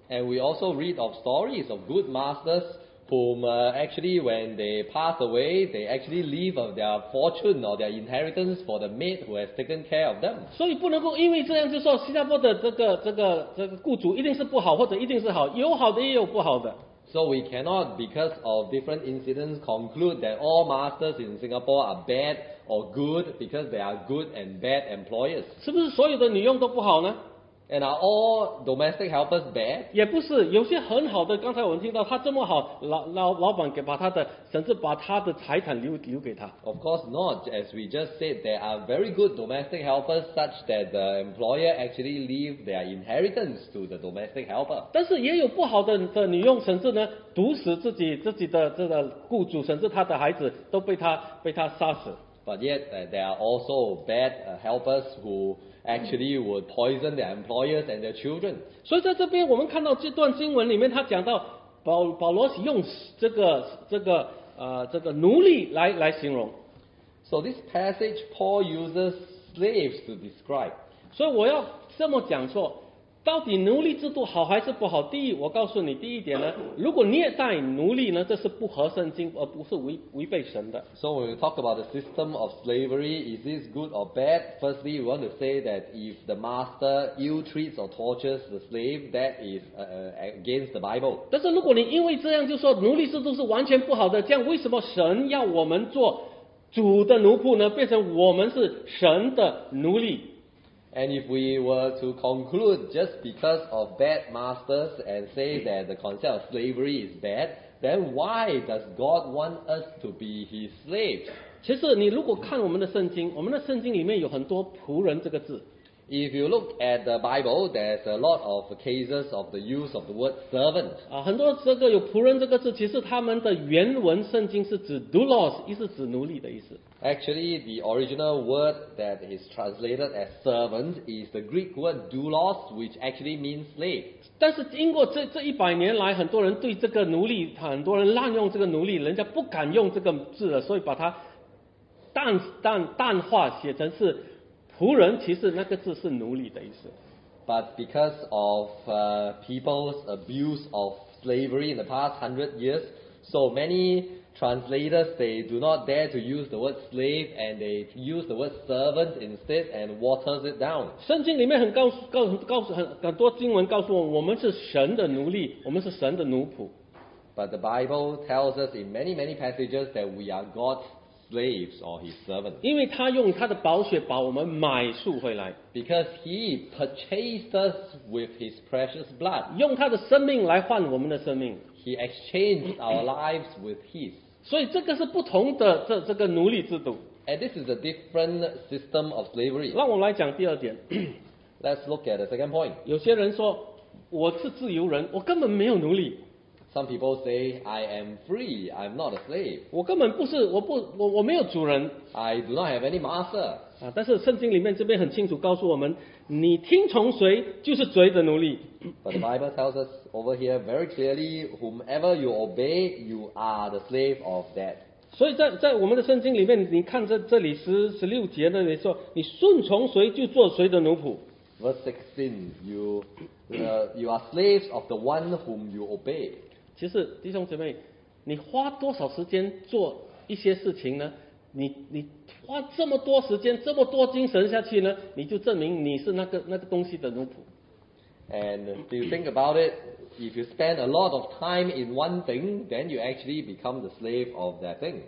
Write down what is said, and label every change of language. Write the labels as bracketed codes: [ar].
[en] And we also read of stories of good masters. Whom actually when they pass away, they actually leave of their fortune or their inheritance for the maid who has taken care of them. [zh] 所以不能够因为这样就说新加坡的这个雇主一定是不好或者一定是好，有好的也有不好的。 [en] So we cannot because of different incidents conclude that all masters in Singapore are bad or good because they are good and bad employers. [zh] 是不是所有的女佣都不好呢？ [en] And are all domestic helpers bad? [zh] 也不是，有些很好的。刚才我们听到他这么好，老板给把他的，甚至把他的财产留给他。 [en] Of course not. As we just said, there are very good domestic helpers such that the employer actually leave their inheritance to the domestic helper. [zh] 但是也有不好的女佣，甚至呢毒死自己的这个雇主，甚至他的孩子都被他杀死。 [en] But yet there are also bad helpers who actually would poison their employers and their children. [zh] 所以在这边我们看到这段经文里面，他讲到保罗是用这个奴隶来形容。 [en] So this passage Paul uses slaves to describe. [zh] 所以我要这么讲说，到底奴隶制度好还是不好？第一，我告诉你，第一点呢，如果虐待奴隶呢，这是不合圣经，而不是违背神的。 [en] So when we talk about the system of slavery, is this good or bad? Firstly, we want to say that if the master ill treats or tortures the slave, that is against the Bible. [zh] 但是如果你因为这样就说奴隶制度是完全不好的，这样为什么神要我们做主的奴仆呢？变成我们是神的奴隶？ [en] And if we were to conclude just because of bad masters and say that the concept of slavery is bad, then why does God want us to be his slaves? [zh] 其实你如果看我们的圣经，我们的圣经里面有很多仆人这个字。 [en] If you look at the Bible, there's a lot of cases of the use of the word servant. [zh] 很多这个有仆人这个字，其实他们的原文圣经是指 doulos, 意思指奴隶的意思。 [en] Actually, the original word that is translated as servant is the Greek word doulos, which actually means slave. [zh] 但是经过这一百年来，很多人对这个奴隶，很多人滥用这个奴隶，人家不敢用这个字了，所以把它淡化写成是仆人，其实那个字是奴隶的意思。 [en] But because of people's abuse of slavery in the past 100 years, so many translators, they do not dare to use the word slave, and they use the word servant instead and waters it down. [zh] 圣经里面很多经文告诉我们，我们是神的奴隶，我们是神的奴仆。 [en] But the Bible tells us in many, many passages that we are God's slaves or his servants. [zh] 因为他用他的宝血把我们买赎回来。 [en] Because he purchased us with his precious blood. [zh] 用他的生命来换我们的生命。 [en] He exchanged our lives with his. [zh] 所以这个是不同的这个奴隶制度。 [en] And this is a different system of slavery. [zh] 让我来讲第二点。 [en] Let's look at the second point. [zh] 有些人说我是自由人，我根本没有奴隶。 [en] Some people say, I am free, I'm not a slave. [zh] 我根本不是，我没有主人。 [en] I do not have any master. [zh] 但是圣经里面这边很清楚告诉我们，你听从谁就是谁的奴隶。 [en] But the Bible tells us over here very clearly, whomever you obey, you are the slave of that. [zh] 所以在我们的圣经里面，你看这里16节那里说，你顺从谁就做谁的奴仆。 [en] Verse 16, you are slaves of the one whom you obey. [zh] 其实弟兄姐妹，你花多少时间做一些事情呢？你花这么多时间，这么多精神下去呢，你就证明你是那个东西的奴仆。 [en] And if you think about it, if you spend a lot of time in one thing, then you actually become the slave of that thing.